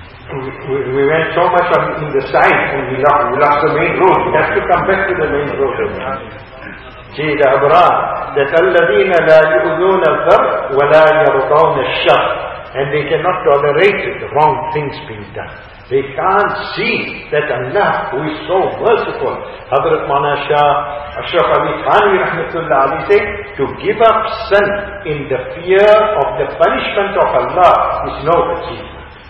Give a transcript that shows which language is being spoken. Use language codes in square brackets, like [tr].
[en] We went so much on in the side and we lost the main road. We have to come back to the main road. See the Abraar, that [ar] الَّذِينَ لَا يُؤْذُونَ الْضَرْءُ وَلَا يَرْضَوْنَ الشَّرْءُ. [en] And they cannot tolerate the wrong things being done. They can't see that Allah, who is so merciful, Hazrat Maulana Shah Ashraf Ali Thani Rahmatullah Ali said, to give up sin in the fear of the punishment of Allah is no achievement.